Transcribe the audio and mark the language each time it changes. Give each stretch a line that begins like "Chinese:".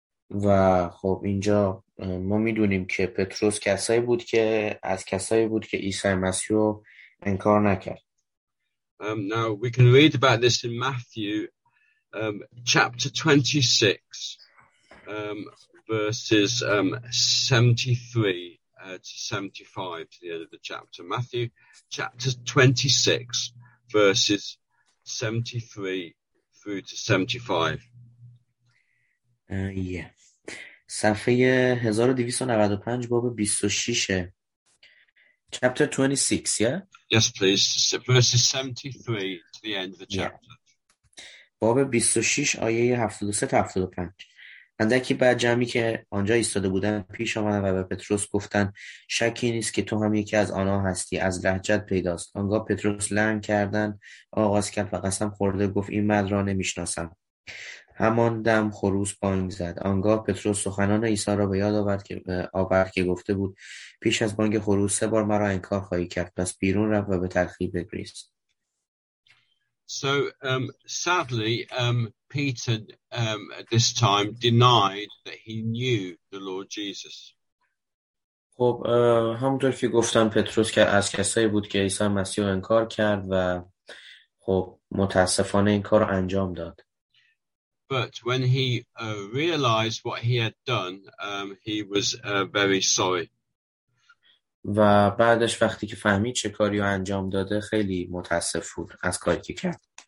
Persian: و خب اینجا ما میدونیم که پتروس کسایی بود که عیسی مسیح رو انکار نکرد.
English: Now we can read about this in Matthew chapter 26 verses 73 to 75 to the end of the chapter. Matthew chapter 26 verses 73 through to 75. Yeah.
Persian: صفحه 1295 باب 26
English: chapter 26 yes please so verses 73 to the end of the chapter.
Persian: باب 26 آیه 73 تا 75. اندکی بعد جمعی که آنجا ایستاده بودن پیش آمدن و به پتروس گفتن شکی نیست که تو هم یکی از آنها هستی، از لهجت پیداست. آنگاه پتروس لنگ کردن آغاز کرد و قسم خورده گفت این مرد را نمیشناسم. همان دم خروس بانگ زد. آنگاه پتروس سخنان عیسی را به یاد آورد که گفته بود پیش از بانگ خروس سه بار مرا انکار خواهی کرد. پس بیرون رفت و به تلخی بگریست.
English: So sadly Peter at this time denied that he knew the Lord Jesus.
Persian: خب همونطور که گفتم پتروس که از کسایی بود که عیسی مسیح را انکار کرد و خب متاسفانه این کار را انجام داد.
English: But when he realized what he had done, he was very sorry.
Persian: و بعدش وقتی که فهمید چه کاری رو انجام داده خیلی متاسف بود از کاری که کرد.